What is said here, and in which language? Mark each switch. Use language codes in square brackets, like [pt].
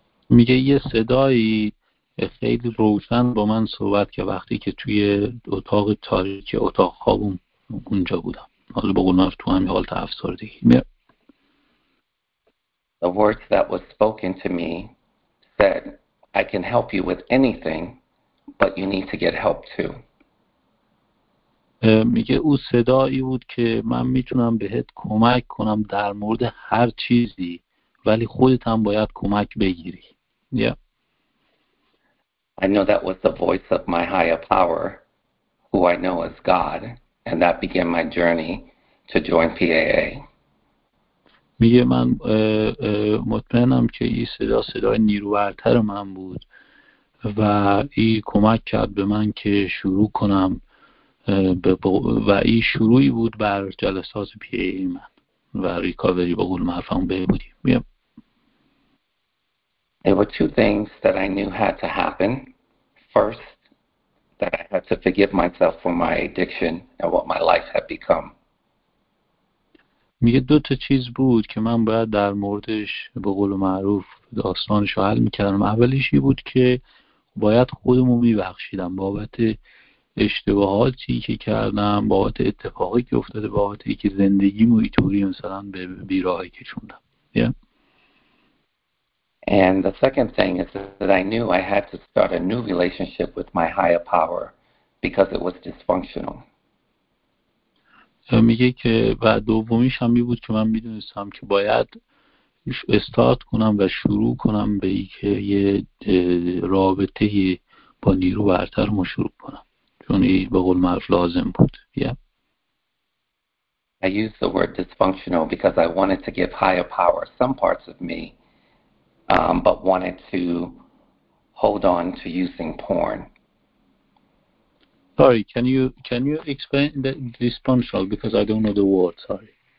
[fa] میگه یه صدایی خیلی روشن با من صحبت که وقتی که توی اتاق تاریک اتاق خوابم اونجا بودم. حالا با گناه تو همی حالت افسردگی. [en] The words that was spoken to me said, I can help you with anything, but you need to get help too. [fa] میگه او صدایی بود که من میتونم بهت کمک کنم در مورد هر چیزی ولی خودت هم باید کمک بگیری. [en] Yeah. I know that was the voice of my higher power, who I know as God, and that began my journey to join PAA. [fa] میگه من مطمئنم که این صدای نیروورتر من بود و این کمک کرد به من که شروع کنم و این شروعی بود بر جلسات PAA من و ریکاوری با قول محرفم به بودیم. [en] There were two things that I knew had to happen. First, that I had to forgive myself for my addiction and what my life had become. [fa] میگه دو تا چیز بود که من باید در موردش به قول معروف داستانش حل میکردم. اولیش این بود که باید خودمو میبخشیدم بابت اشتباهاتی که کردم، بابت اتفاقی که افتاده، بابت اینکه زندگیمو اینطوری مثلا به بیراهی کشوندم. [en] Yeah. And the second thing is that I knew I had to start a new relationship with my higher power because it was dysfunctional. [fa] میگه که و دومیش هم بود که من میدونستم که باید استارت کنم و شروع کنم به اینکه یه رابطه با نیرو برتر شروع کنم چون این به قول معروف لازم بود. [en] I used the word dysfunctional because I wanted to give higher power some parts of me but wanted to hold on to using porn. Sorry, can you explain the dysfunctional because I don't know the word, sorry.